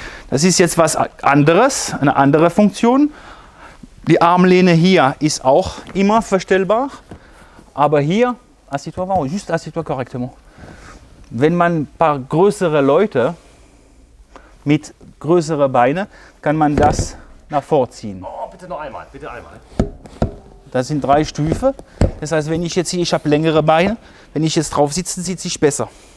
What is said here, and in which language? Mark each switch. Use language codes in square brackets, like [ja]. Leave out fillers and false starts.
[de] Das ist jetzt was anderes, eine andere Funktion. Die Armlehne hier ist auch immer verstellbar. Aber hier, [fr] assieds-toi avant, juste assieds-toi correctement. [de] Wenn man ein paar größere Leute mit größeren Beinen, kann man das nach vorne ziehen. Oh, bitte noch einmal, bitte einmal. Das sind drei Stufen. Das heißt, wenn ich jetzt hier, ich habe längere Beine, wenn ich jetzt drauf sitze, sitze ich besser.